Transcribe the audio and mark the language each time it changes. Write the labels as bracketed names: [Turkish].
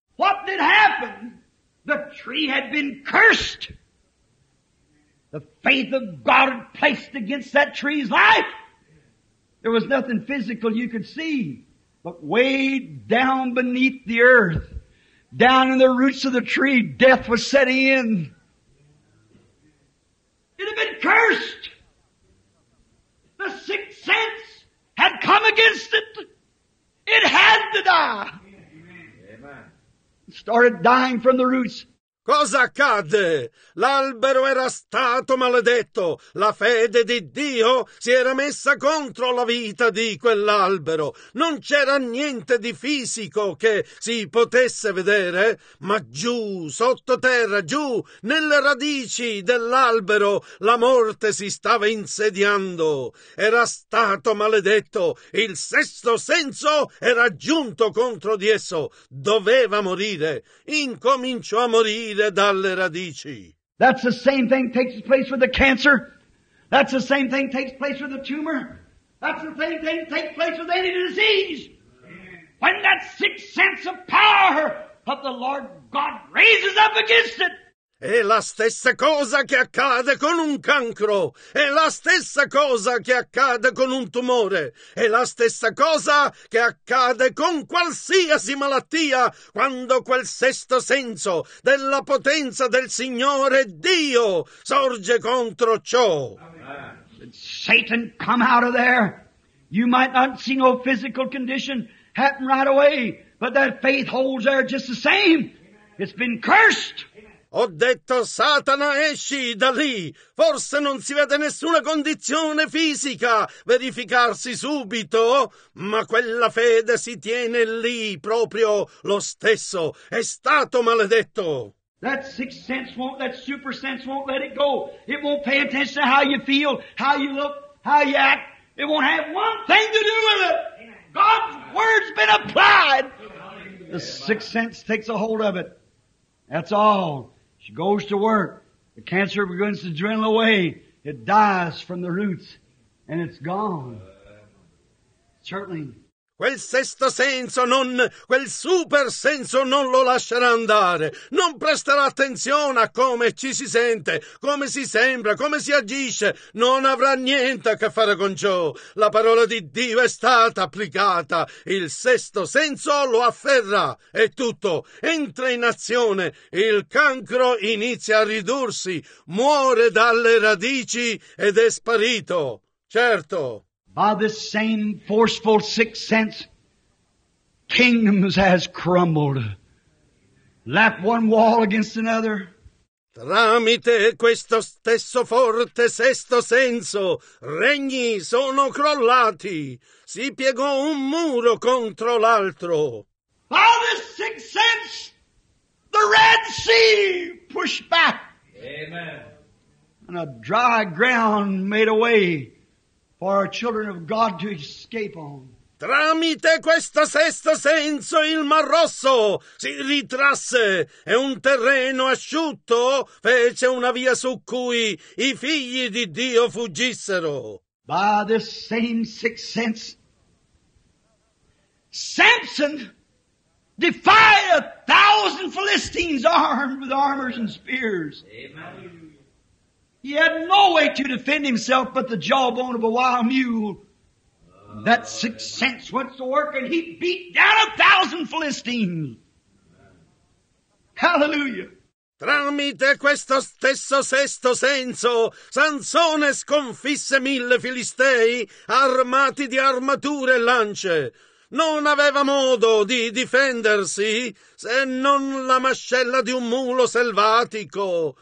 [English] What did happen? The tree had been cursed. The faith of God placed against that tree's life. There was nothing physical you could see. But way down beneath the earth, down in the roots of the tree, death was setting in. It had been cursed. The sixth sense had come against it. It had to die. Amen. It started dying from the roots. [Italian] Cosa accadde? L'albero era stato maledetto. La fede di Dio si era messa contro la vita di quell'albero. Non c'era niente di fisico che si potesse vedere, ma giù, sottoterra, giù, nelle radici dell'albero, la morte si stava insediando. Era stato maledetto. Il sesto senso era giunto contro di esso. Doveva morire. Incominciò a morire dalle radici. [English] That's the same thing takes place with the cancer. That's the same thing takes place with the tumor. That's the same thing takes place with any disease. When that sixth sense of power of the Lord God raises up against it. [Italian] È la stessa cosa che accade con un cancro. È la stessa cosa che accade con un tumore. È la stessa cosa che accade con qualsiasi malattia quando quel sesto senso della potenza del Signore Dio sorge contro ciò. [English] Satan, come out of there. You might not see no physical condition happen right away, but that faith holds there just the same. It's been cursed. [Italian] Ho detto, Satana, esci da lì. Forse non si vede nessuna condizione fisica verificarsi subito, ma quella fede si tiene lì proprio lo stesso. È stato maledetto. [English] That sixth sense won't, that super sense won't let it go. It won't pay attention to how you feel, how you look, how you act. It won't have one thing to do with it. God's word's been applied. The sixth sense takes a hold of it. That's all. She goes to work. The cancer begins to drain away. It dies from the roots and it's gone. Certainly. [Italian] Quel sesto senso, non quel super senso, non lo lascerà andare. Non presterà attenzione a come ci si sente, come si sembra, come si agisce. Non avrà niente a che fare con ciò. La parola di Dio è stata applicata. Il sesto senso lo afferra. È tutto. Entra in azione. Il cancro inizia a ridursi. Muore dalle radici ed è sparito. Certo. [English] By this same forceful sixth sense, kingdoms has crumbled. Lap one wall against another. [Italian] Tramite questo stesso forte sesto senso, regni sono crollati. Si piegò un muro contro l'altro. [English] By this sixth sense, the Red Sea pushed back. Amen. And a dry ground made a way for our children of God to escape on. [Italian] Tramite questo sesto senso il Mar Rosso si ritrasse e un terreno asciutto fece una via su cui i figli di Dio fuggissero. [English] By this same sixth sense, Samson defied a thousand Philistines armed with armors and spears. Amen. He had no way to defend himself but the jawbone of a wild mule. That sixth sense went to work and he beat down a thousand Philistines. Hallelujah. [Italian] Tramite questo stesso sesto senso, Sansone sconfisse 1000 Filistei armati di armature e lance. Non aveva modo di difendersi se non la mascella di un mulo selvatico.